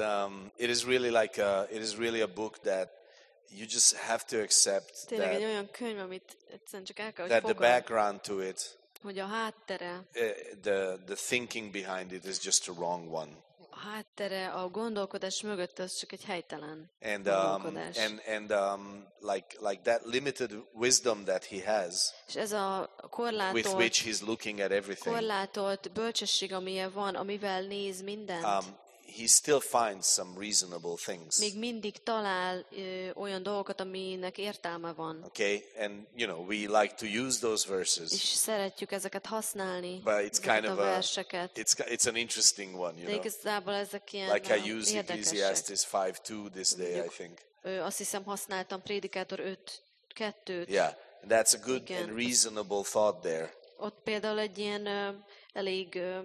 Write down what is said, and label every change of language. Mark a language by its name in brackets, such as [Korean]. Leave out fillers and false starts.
[English] So it is really a book that you just have to accept that the background to it, the thinking behind it is just a wrong one. [Hungarian] Háttere a gondolkodás mögött az csak egy helytelen gondolkodás. [English] And like that limited wisdom that he has, [Hungarian] és ez a korlátolt, [English] with which he's looking at everything, [Hungarian] korlátolt bölcsesség, amilyen van, amivel néz mindent, [English] he still finds some reasonable things. [Hungarian] Még mindig talál olyan dolgokat, aminek értelme van. [English] Okay, and you know, we like to use those verses. [Hungarian] És szeretjük ezeket használni. [English] But it's kind of a [Hungarian] verseket. [English] It's an interesting one, you know. [Hungarian] De igazából ezek ilyen [English] like I use Ecclesiastes 5:2 this day, I think. [Hungarian] Azt hiszem használtam Prédikátor 5:2-t. [English] Yeah, that's a good and reasonable thought there. [Hungarian] Ott például egy ilyen elég